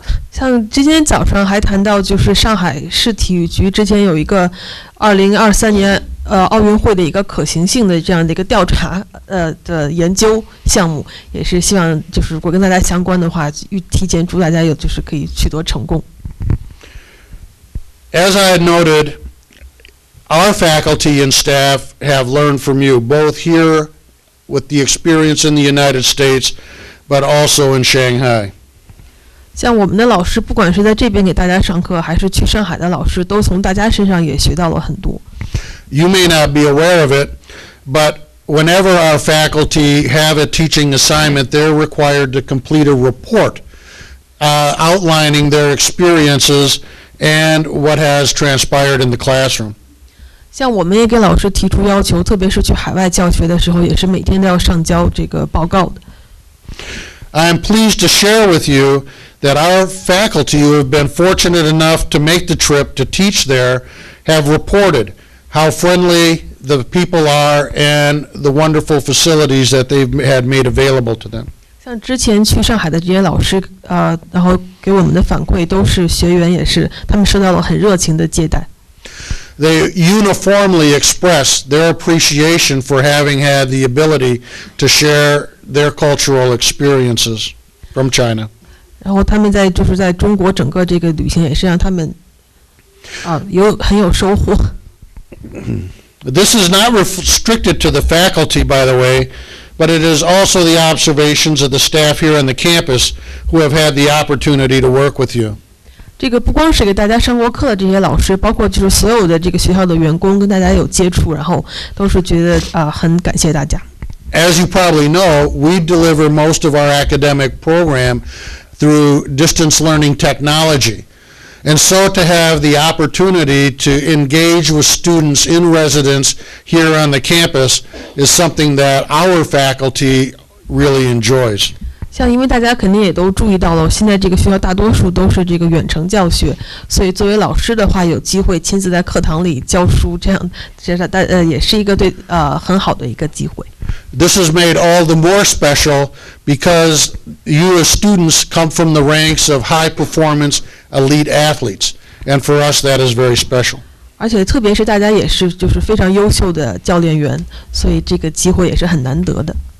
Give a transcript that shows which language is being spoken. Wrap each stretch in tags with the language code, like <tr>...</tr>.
<zh>像今天早上还谈到就是上海市体育局之前有一个2023年奥运会的一个可行性的这样的一个调查的研究项目，也是希望就是如果跟大家相关的话，预提前祝大家有就是可以取得成功。</zh> <en>As I had noted, our faculty and staff have learned from you both here with the experience in the United States, but also in Shanghai.</en> <zh>像我们的老师，不管是在这边给大家上课，还是去上海的老师，都从大家身上也学到了很多。</zh> <en>You may not be aware of it, but whenever our faculty have a teaching assignment, they're required to complete a report, outlining their experiences and what has transpired in the classroom.</en> <zh>像我们也给老师提出要求，特别是去海外教学的时候，也是每天都要上交这个报告的。</zh> <en>I am pleased to share with you. That our faculty who have been fortunate enough to make the trip to teach there have reported how friendly the people are and the wonderful facilities that they've had made available to them.</en> <zh>像之前去上海的这些老师，然后给我们的反馈都是学员也是，他们受到了很热情的接待。</zh> <en>They uniformly express their appreciation for having had the ability to share their cultural experiences from China.</en> <zh>然后他们在就是在中国整个这个旅行也是让他们有很有收获。</zh> <en>This is not restricted to the faculty, by the way, but it is also the observations of the staff here on the campus who have had the opportunity to work with you.</en> <zh>这个不光是给大家上过课的这些老师，包括就是所有的这个学校的员工跟大家有接触，然后都是觉得很感谢大家。</zh> <en>As you probably know, we deliver most of our academic program through distance learning technology. And so to have the opportunity to engage with students in residence here on the campus is something that our faculty really enjoys.</en> <zh>像因为大家肯定也都注意到了，现在这个学校大多数都是这个远程教学，所以作为老师的话，有机会亲自在课堂里教书，这样其实大也是一个对很好的一个机会。</zh> <en>This is made all the more special because you as students come from the ranks of high performance elite athletes, and for us that is very special.</en> <zh>而且特别是大家也是就是非常优秀的教练员，所以这个机会也是很难得的。</zh>